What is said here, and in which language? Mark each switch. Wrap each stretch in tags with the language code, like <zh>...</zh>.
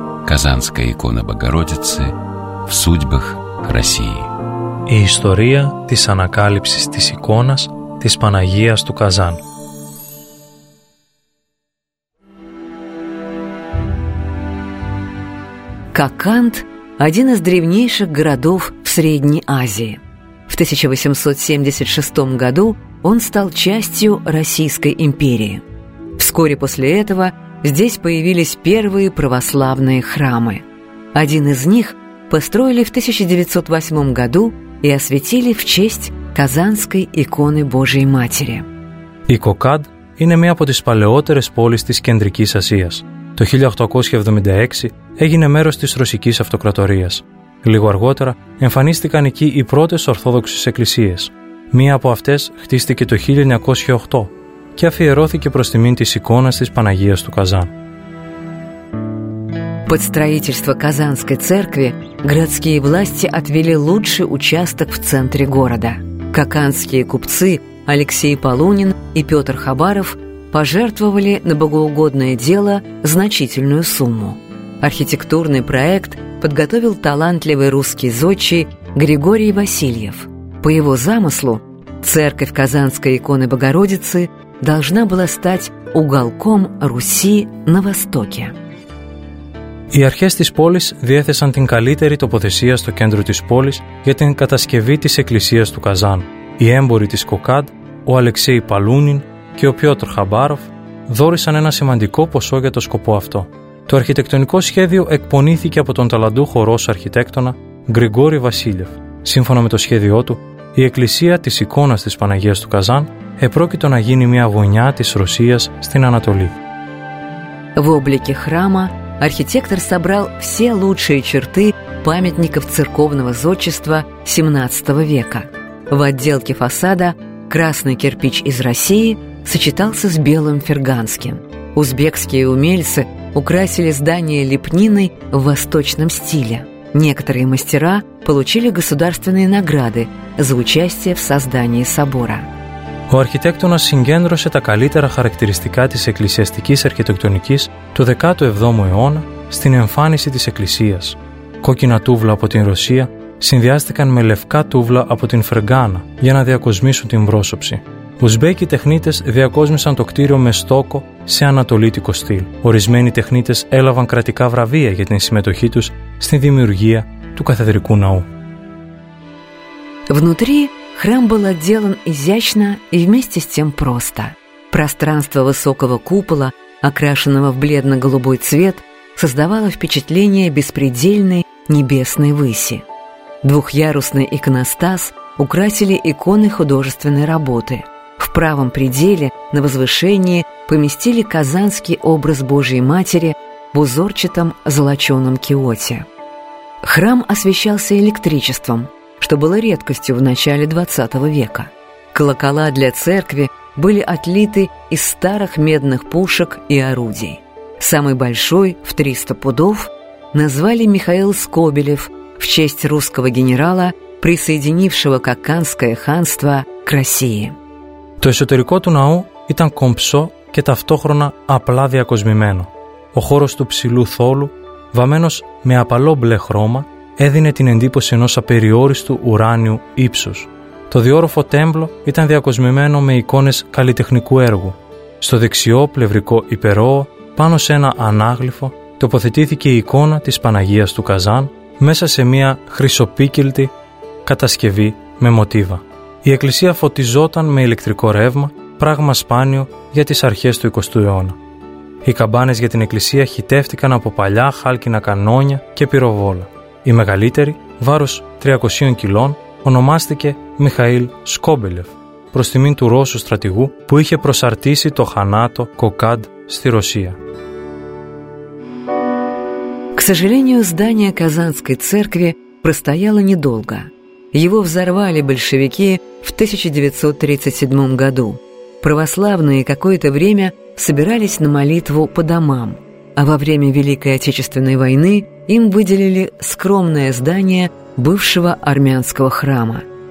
<ru>Казанская икона Богородицы в судьбах России.</ru> <el>Η ιστορία της ανακάλυψης της εικόνας της Παναγίας του Καζάν.</el> <ru>Коканд – один из древнейших городов в Средней Азии. В 1876 году он стал частью Российской империи. Вскоре после этого здесь появились первые православные храмы. Один из них построили в 1908 году и освятили в честь Казанской иконы Божией Матери.</ru> <el>Η Коканд είναι μία από τις παλαιότερες πόλεις της Κεντρικής Ασίας. Το 1876 έγινε μέρος της Ρωσικής Αυτοκρατορίας. Λίγο αργότερα εμφανίστηκαν εκεί οι πρώτες Ορθόδοξες εκκλησίες. Μία από αυτές χτίστηκε το 1908 και αφιερώθηκε προς τιμήν της εικόνας της Παναγίας του Καζάν.</el> <ru>Под строительство Казанской церкви городские власти отвели лучший участок в центре города. Коканские купцы Алексей Полунин и Петр Хабаров пожертвовали на богоугодное дело значительную сумму. Архитектурный проект подготовил талантливый русский зодчий Григорий Васильев. По его замыслу, церковь Казанской иконы Богородицы должна была стать уголком Руси на Востоке.</ru> <el>Οι αρχές της πόλης διέθεσαν την καλύτερη τοποθεσία στο κέντρο της πόλης για την κατασκευή της εκκλησίας του Καζάν. Οι έμποροι της Κοκάντ, ο Αλεξέη Παλούνιν και ο Πιότρ Χαμπάροφ δόρισαν ένα σημαντικό ποσό για το σκοπό αυτό. Το αρχιτεκτονικό σχέδιο εκπονήθηκε από τον ταλαντούχο Ρώσο αρχιτέκτονα Γκριγκόρη Βασίλεφ. Σύμφωνα με το σχέδιό του, η εκκλησία της εικόνας της Παναγίας του Καζάν επρόκειτο να γίνει μια γωνιά της Ρωσίας στην Ανατολή.</el> <ru>В облике храма архитектор собрал все лучшие черты памятников церковного зодчества XVII века. В отделке фасада красный кирпич из России сочетался с белым ферганским. Узбекские умельцы украсили здание лепниной в восточном стиле. Некоторые мастера получили государственные награды за участие в создании собора.</ru> <el>Ο αρχιτέκτονας συγκέντρωσε τα καλύτερα χαρακτηριστικά της εκκλησιαστικής αρχιτεκτονικής του 17ου αιώνα στην εμφάνιση της εκκλησίας. Κόκκινα τούβλα από την Ρωσία συνδυάστηκαν με λευκά τούβλα από την Φεργάνα για να διακοσμήσουν την πρόσωψη. Ουσμπέκοι τεχνίτες διακόσμησαν το κτίριο με στόκο σε ανατολίτικο στυλ. Ορισμένοι τεχνίτες έλαβαν κρατικά βραβεία για την συμμετοχή τους στη δημιουργία του καθεδρικού ναού.</el> <ru>Храм был отделан изящно и вместе с тем просто. Пространство высокого купола, окрашенного в бледно-голубой цвет, создавало впечатление беспредельной небесной выси. Двухъярусный иконостас украсили иконы художественной работы. В правом пределе, на возвышении, поместили казанский образ Божьей Матери в узорчатом золоченом киоте. Храм освещался электричеством, что было редкостью в начале XX века. Колокола для церкви были отлиты из старых медных пушек и орудий. Самый большой, в 300 пудов, назвали Михаил Скобелев в честь русского генерала, присоединившего Коканское ханство к России.</ru> <el>То эсотерико ту наού ήταν κομψό και ταυτόχρονα απλά διακοσμημένο. Ο χώρος του ψηλού θόλου, βαμμένος με απαλό μπλε χρώμα, έδινε την εντύπωση ενός απεριόριστου ουράνιου ύψους. Το διόροφο τέμπλο ήταν διακοσμημένο με εικόνες καλλιτεχνικού έργου. Στο δεξιό πλευρικό υπερώο, πάνω σε ένα ανάγλυφο, τοποθετήθηκε η εικόνα της Παναγίας του Καζάν μέσα σε μια χρυσοπίκυλτη κατασκευή με μοτίβα. Η εκκλησία φωτιζόταν με ηλεκτρικό ρεύμα, πράγμα σπάνιο για τις αρχές του 20ου αιώνα. Οι καμπάνες για την εκκλησία χυτεύτηκαν από παλιά χάλκινα κανόνια και πυροβόλα. Η μεγαλύτερη, βάρος 300 κιλών, ονομάστηκε Μιχαήλ Σκόμπελεφ, προς τιμή του Ρώσου στρατηγού που είχε προσαρτήσει το χανάτο Κοκάντ στη Ρωσία.</el> <ru>К сожалению, здание Казанской церкви простояло недолго. Его взорвали большевики в 1937 году. Православные какое-то время собирались на молитву по домам, а во время Великой Отечественной войны им выделили скромное здание бывшего армянского храма.</ru>